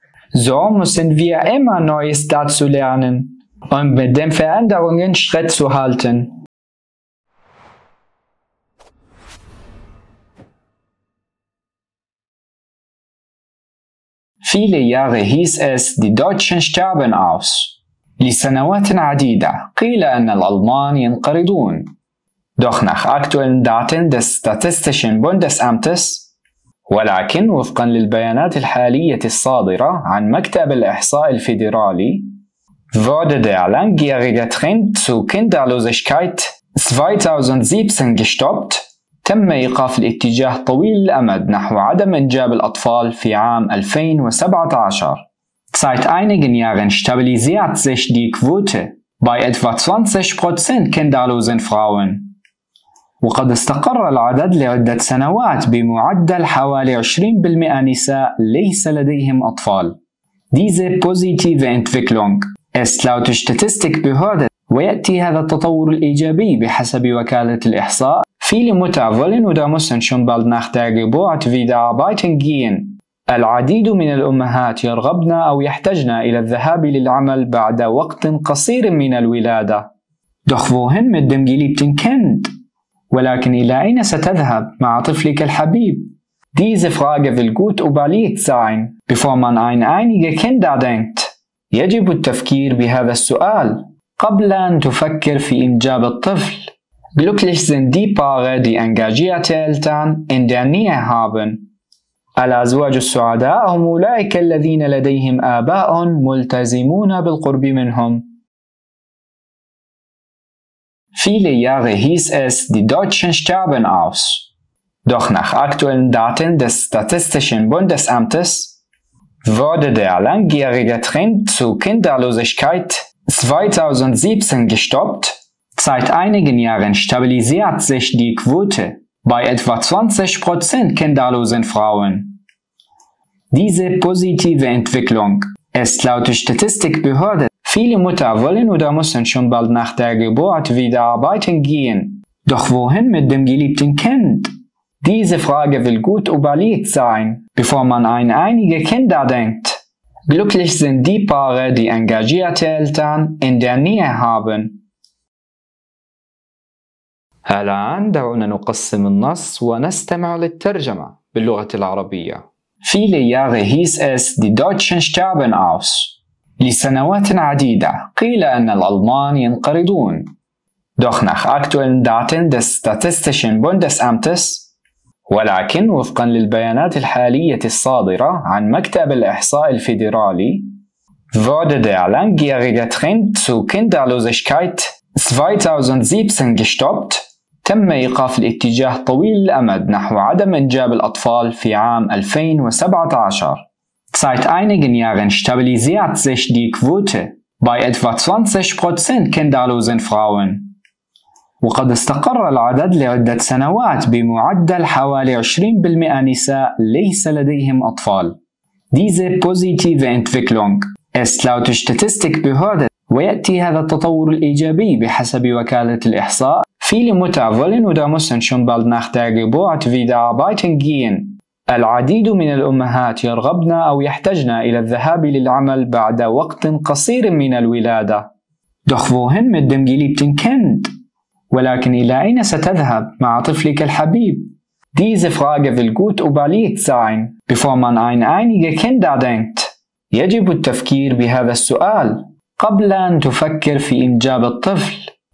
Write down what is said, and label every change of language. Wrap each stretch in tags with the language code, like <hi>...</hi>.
<de>So müssen wir immer Neues dazu lernen und mit den Veränderungen Schritt zu halten. Viele Jahre hieß es, die Deutschen sterben aus.</de> <ar>لسنوات عديدة قيل أن الألمان ينقرضون.</ar> <de>Doch nach aktuellen Daten des Statistischen Bundesamtes</de> <ar>ولكن وفقا للبيانات الحالية الصادرة عن مكتب الإحصاء الفيدرالي</ar> <de>wurde der langjährige Trend zu Kinderlosigkeit 2017 gestoppt</de> <ar>تم إيقاف الاتجاه طويل الأمد نحو عدم إنجاب الأطفال في عام 2017</ar> <de>Seit einigen Jahren stabilisiert sich die Quote bei etwa 20% kinderlosen Frauen.</de> <ar>وقد استقر العدد لعدة سنوات بمعدل حوالي 20% نساء ليس لديهم أطفال.</ar> <de>Diese positive Entwicklung ist laut Statistikbehörde</de> <ar>ويأتي هذا التطور الإيجابي بحسب وكالة الإحصاء.</ar> <de>Viele Mütter wollen oder müssen schon bald nach der Geburt wieder arbeiten gehen.</de> <ar>العديد من الأمهات يرغبن أو يحتجن إلى الذهاب للعمل بعد وقت قصير من الولادة.</ar> <de>Doch wohin mit dem geliebten Kind?</de> <ar>ولكن إلى أين ستذهب مع طفلك الحبيب؟</ar> <de>Diese Frage will gut überlegt sein, bevor man an einige Kinder denkt.</de> <ar>يجب التفكير بهذا السؤال قبل أن تفكر في إنجاب الطفل.</ar> <de>Glücklich sind die Paare, die engagierte Eltern in der Nähe haben.</de> <ar>الأزواج السعداء هم أولئك الذين لديهم آباء ملتزمون بالقرب منهم.</ar> <de>Viele Jahre hieß es, die Deutschen sterben aus. Doch nach aktuellen Daten des Statistischen Bundesamtes wurde der langjährige Trend zu Kinderlosigkeit 2017 gestoppt. Seit einigen Jahren stabilisiert sich die Quote bei etwa 20% kinderlosen Frauen. Diese positive Entwicklung ist laut der Statistikbehörde. Viele Mütter wollen oder müssen schon bald nach der Geburt wieder arbeiten gehen. Doch wohin mit dem geliebten Kind? Diese Frage will gut überlegt sein, bevor man an einige Kinder denkt. Glücklich sind die Paare, die engagierte Eltern in der Nähe haben.</de> <ar>الآن دعونا نقسم النص ونستمع للترجمة باللغة العربية.</ar> <de>Viele Jahre hieß es, die Deutschen sterben aus.</de> <ar>لسنوات عديدة قيل أن الألمان ينقرضون.</ar> <de>Doch nach aktuellen Daten des Statistischen Bundesamtes,</de> <ar>ولكن وفقا للبيانات الحالية الصادرة عن مكتب الإحصاء الفيدرالي,</ar> <de>wurde der langjährige Trend zu Kinderlosigkeit 2017 gestoppt.</de> <ar>تم إيقاف الاتجاه طويل الأمد نحو عدم إنجاب الأطفال في عام 2017.</ar> <de>Seit einigen Jahren stabilisiert sich die Quote bei etwa 20% kinderlosen Frauen.</de> <ar>وقد استقر العدد لعدة سنوات بمعدل حوالي 20% نساء ليس لديهم أطفال.</ar> <de>Diese positive Entwicklung ist laut Statistikbehörde.</de> <ar>ويأتي هذا التطور الإيجابي بحسب وكالة الإحصاء.</ar> <de>Viele Mütter wollen oder müssen schon bald nach der Geburt wieder arbeiten gehen.</de> <ar>العديد من الأمهات يرغبن أو يحتاجن إلى الذهاب للعمل بعد وقت قصير من الولادة.</ar> <de>Doch wohin mit dem geliebten Kind?</de> <ar>ولكن إلى أين ستذهب مع طفلك الحبيب?</ar> <de>Diese Frage will gut überlegt sein, bevor man an einige Kinder denkt.</de> <ar>يجب التفكير بهذا السؤال قبل أن تفكر في إنجاب الطفل.</ar>